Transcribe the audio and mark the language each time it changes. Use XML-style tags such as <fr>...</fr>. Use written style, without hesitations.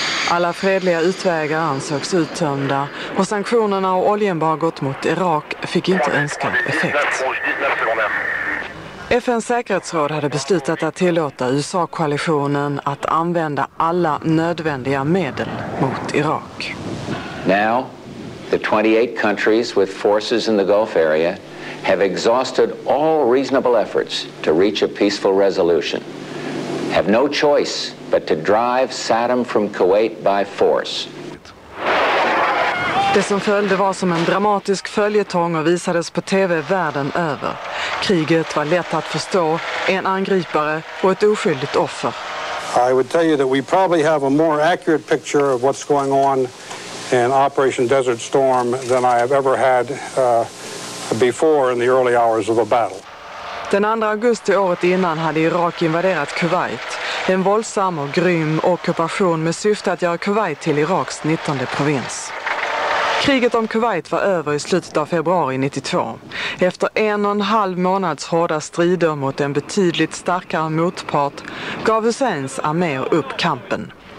<sv>Alla fredliga utvägar ansågs uttömda och sanktionerna och oljeembargot mot Irak fick inte önskad effekt. FNs säkerhetsråd hade beslutat att tillåta USA-koalitionen att använda alla nödvändiga medel mot Irak.</sv> <en>Now, the 28 countries with forces in the Gulf area have exhausted all reasonable efforts to reach a peaceful resolution. Have no choice but to drive Saddam from Kuwait by force.</en> <sv>Det som följde var som en dramatisk följetong och visades på TV världen över. Kriget var lätt att förstå, en angripare och ett oskyldigt offer.</sv> <en>I would tell you that we probably have a more accurate picture of what's going on in Operation Desert Storm than I have ever had before in the early hours of a battle.</en> <sv>Den 2 augusti året innan hade Irak invaderat Kuwait. En våldsam och grym ockupation med syfte att göra Kuwait till Iraks 19:e provins. Kriget om Kuwait var över i slutet av februari 92. Efter 1,5 månads hårda strider mot en betydligt starkare motpart gav Husseins arméer upp kampen.</sv>